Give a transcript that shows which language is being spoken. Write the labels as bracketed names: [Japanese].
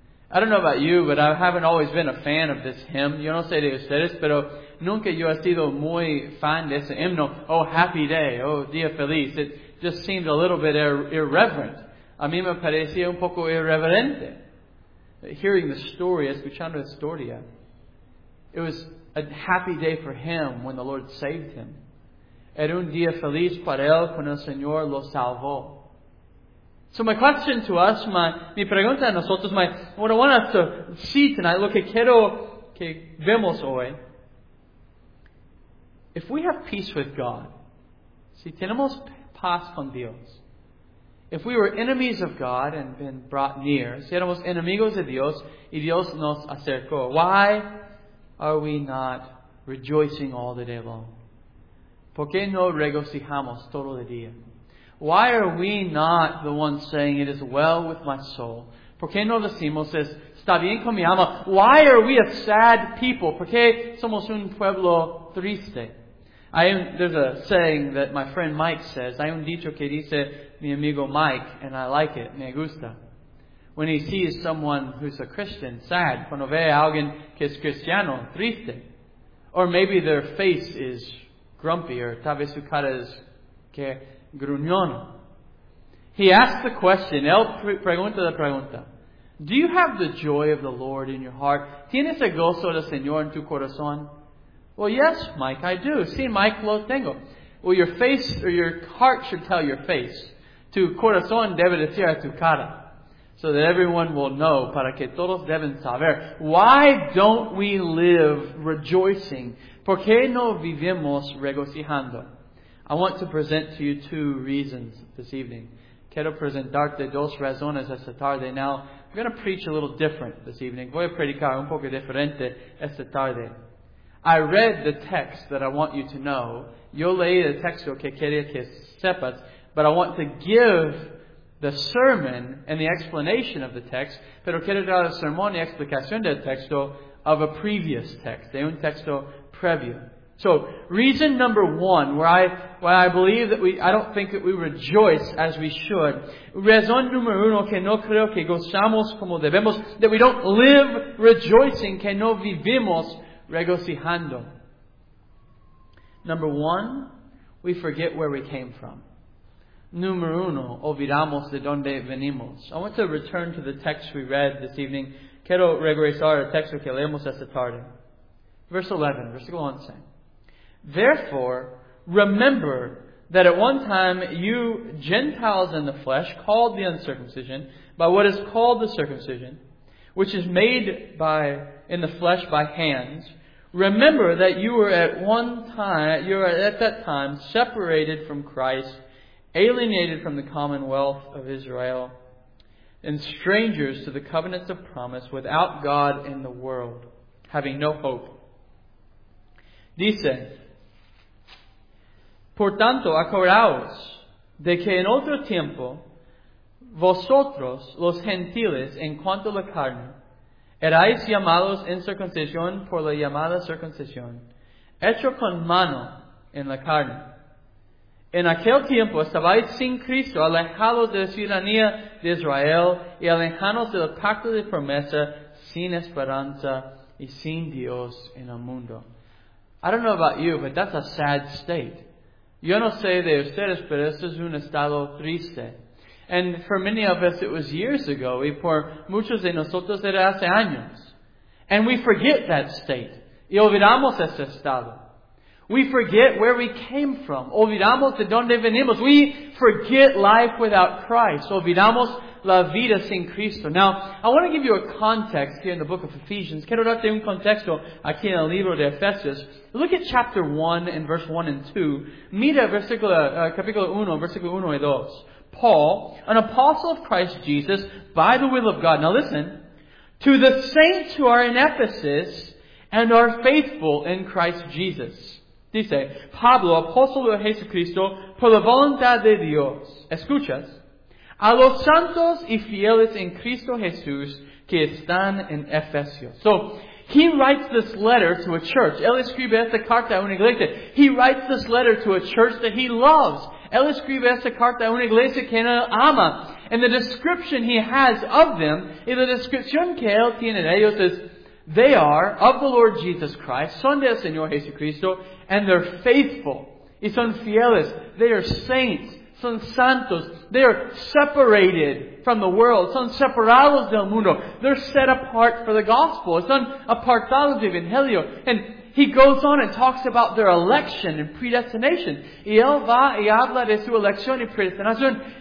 [English] I don't know about you, but I haven't always been a fan of this hymn. [Spanish] Yo no sé de ustedes, pero nunca yo he sido muy fan de ese himno. [English] Oh, happy day. [Spanish] Oh, día feliz. [English] It just seemed a little bit irreverent. [Spanish] A mí me parecía un poco irreverente. [English] Hearing the story, [Spanish] escuchando la historia. [English] It was a happy day for him when the Lord saved him. [Spanish] Era un día feliz para él cuando el Señor lo salvó. [English] So my question to us, [Spanish] mi pregunta a nosotros, [English] what I want us to see tonight, [Spanish] lo que quiero que vemos hoy. [English] If we have peace with God, [Spanish] si tenemos paz con Dios, [English] if we were enemies of God and been brought near, [Spanish] si éramos enemigos de Dios y Dios nos acercó, [English] why are we not rejoicing all the day long? [Spanish] ¿Por qué no regocijamos todo el día? [English] Why are we not the ones saying, it is well with my soul? [Spanish] ¿Por qué no decimos, está bien con mi alma? [English] Why are we a sad people? [Spanish] ¿Por qué somos un pueblo triste? [English] There's a saying that my friend Mike says. [Spanish] Hay un dicho que dice mi amigo Mike, [English] and I like it, [Spanish] me gusta. [English] When he sees someone who's a Christian, sad. [Spanish] Cuando ve a alguien que es cristiano, triste. [English] Or maybe their face is grumpy, or [Spanish] tal vez su cara es que gruñón. [English] He asks the question, [Spanish] él pregunta la pregunta. [English] Do you have the joy of the Lord in your heart? [Spanish] ¿Tienes el gozo del Señor en tu corazón? [English] Well, yes, Mike, I do. [Spanish] Sí, Mike, lo tengo. [English] Well, your face or your heart should tell your face. [Spanish] Tu corazón debe decir a tu cara. [English] So that everyone will know, [Spanish] para que todos deben saber. [English] Why don't we live rejoicing? [Spanish] ¿Por qué no vivimos regocijando? [English] I want to present to you two reasons this evening. [Spanish] Quiero presentarte dos razones esta tarde. [English] Now, I'm going to preach a little different this evening. [Spanish] Voy a predicar un poco diferente esta tarde. [English] I read the text that I want you to know. [Spanish] Yo leí el texto que quería que sepas. [English] But I want to give the sermon and the explanation of the text. [Spanish] Pero quiero dar el sermón y explicación del texto [English] of a previous text. [Spanish] De un texto previo. [English] So, reason number one, I don't think that we rejoice as we should. [Spanish] Razón número uno, que no creo que gozamos como debemos, [English] that we don't live rejoicing, [Spanish] que no vivimos regocijando. [English] Number one, we forget where we came from. [Spanish] Número uno, olvidamos de donde venimos. [English] I want to return to the text we read this evening. [Spanish] Quiero regresar al texto que leemos esta tarde. [English] Verse 11, [Spanish] versículo 11. [English] Therefore, remember that at one time you Gentiles in the flesh, called the uncircumcision, by what is called the circumcision, which is made in the flesh by hands, Remember that you were at one time, you were at that time separated from Christ, alienated from the commonwealth of Israel, and strangers to the covenants of promise, without God in the world, having no hope. [Spanish] Dice, por tanto, acordaos de que en otro tiempo, vosotros, los gentiles, en cuanto a la carne, erais llamados en circuncisión por la llamada circuncisión, hecho con mano en la carne. En aquel tiempo estabais sin Cristo, alejados de la ciudadanía de Israel y alejados del pacto de promesa, sin esperanza y sin Dios en el mundo. [English] I don't know about you, but that's a sad state. [Spanish] Yo no sé de ustedes, pero esto es un estado triste. [English] And for many of us, it was years ago. [Spanish] Y por muchos de nosotros, era hace años. [English] And we forget that state. [Spanish] Y olvidamos ese estado. [English] We forget where we came from. [Spanish] Olvidamos de donde venimos. [English] We forget life without Christ. [Spanish] Olvidamos la vida sin Cristo. [English] Now, I want to give you a context here in the book of Ephesians. [Spanish] Quiero darte un contexto aquí en el libro de Efesios. [English] Look at chapter 1 and verse 1 and 2. [Spanish] Mira capítulo 1, versículo 1 y 2. [English] Paul, an apostle of Christ Jesus, by the will of God. Now listen. To the saints who are in Ephesus and are faithful in Christ Jesus. [Spanish] Dice, Pablo, apóstol de Jesucristo, por la voluntad de Dios. Escuchas. A los santos y fieles en Cristo Jesús que están en Efesios. [English] So, he writes this letter to a church. Él escribe esta carta a una iglesia. He writes this letter to a church that he loves. [Spanish] Él escribe esta carta a una iglesia que él ama. [English] And the description he has of them, [Spanish] y la descripción que él tiene de ellos es, [English] they are of the Lord Jesus Christ, [Spanish] son del Señor Jesucristo, [English] and they're faithful. [Spanish] Y son fieles. [English] They are saints. [Spanish] Son santos. [English] They are separated from the world. [Spanish] Son separados del mundo. [English] They're set apart for the gospel. [Spanish] Son apartados del Evangelio. [English] And he goes on and talks about their election and predestination. [Spanish] Y él va y habla de su elección y predestinación.